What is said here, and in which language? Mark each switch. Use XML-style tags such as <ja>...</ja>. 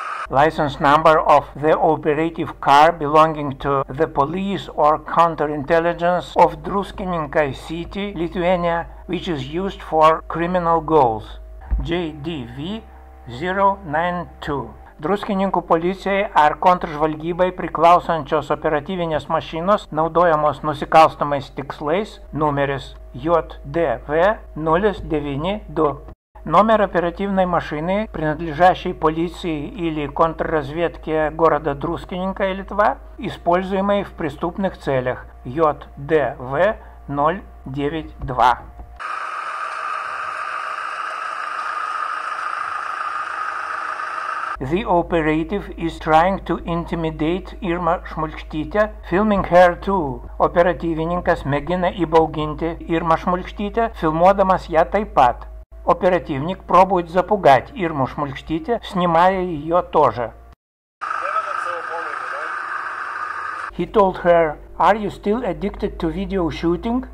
<en>License number of the operative car belonging to the police or counterintelligence of Druskininkai City, Lithuania, which is used for criminal goals. JDV-092.</en> <lt>Druskininkų policijai ar kontržvalgybai priklausančios operatyvinės mašinos naudojamos nusikalstamais tikslais numeris JDV-092.</lt> <ru>Номер оперативной машины, принадлежащей полиции или контрразведке города Друскининка и Литва, используемой в преступных целях. JDV-092.</ru> <en>The operative is trying to intimidate Irma Šmulkštytė, filming her too.</en> <lt>Оперативininkas mėgina įbauginti Irma Šmulkštytė, filmuodamas ją taip pat.</lt> <ru>Оперативник пробует запугать Ирму Шмульштите, снимая ее тоже.</ru> <en>He told her, "Are you still addicted to video shooting?"</en>